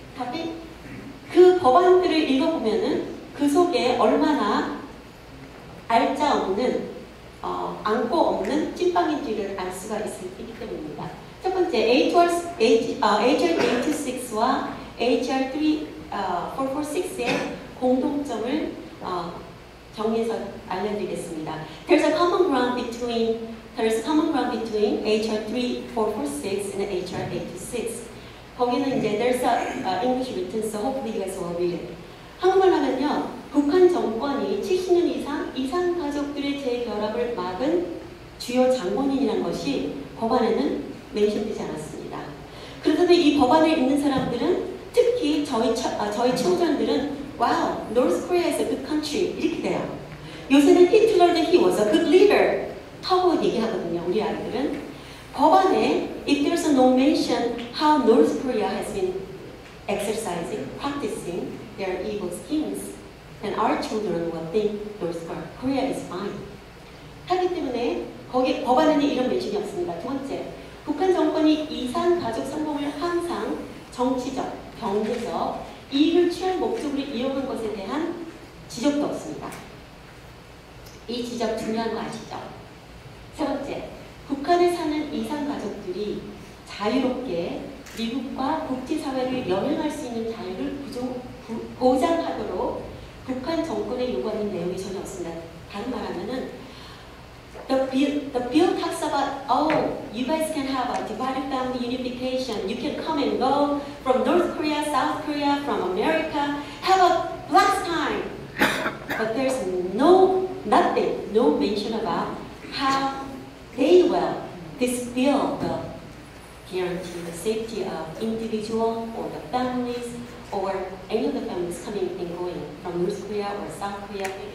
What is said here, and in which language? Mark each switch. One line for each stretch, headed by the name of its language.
Korean: 답이 그 법안들을 읽어보면은 그 속에 얼마나 알짜 없는 안고 없는 찐빵인지를 알 수가 있기 때문입니다. 첫 번째 HR86와 HR3446의 공통점을 정리해서 알려드리겠습니다.
English: There's a common ground between HR3446 and HR86.
Korean: 거기는 이제
English: there's a English written, so hopefully you guys will read it.
Korean: 한국말 하면요, 북한 정권이 70년 이상 이산 가족들의 재결합을 막은 주요 장본인이란 것이 법안에는 멘션되지 않았습니다. 그렇다면 이 법안을 읽는 사람들은 특히 저희 청년들은 와우,
English: North Korea is a good country
Korean: 이렇게 돼요. 요새는 히틀러
English: that he was a good leader
Korean: 하고 얘기하거든요. 우리 아이들은 법안에
English: if there's no mention how North Korea has been exercising, practicing their evil schemes, then our children will think North Korea is fine.
Korean: 하기 때문에 거기 법안에는 이런 멘션이 없습니다. 두 번째, 북한 정권이 이산 가족 성공을 항상 정치적, 경제적 이익을 취한 목적으로 이용한 것에 대한 지적도 없습니다. 이 지적 중요한 거 아시죠? 세 번째, 북한에 사는 이산 가족들이 자유롭게 미국과 국제사회를 여행할 수 있는 자유를 보장하도록 북한 정권에 요구하는 내용이 전혀 없습니다. 다른 말하면은
English: The bill talks about, oh, you guys can have a divided family unification. You can come and go from North Korea, South Korea, from America. Have a blast time. But there's no mention about how they will, this bill will guarantee the safety of individual or the families or any of the families coming and going from North Korea or South Korea.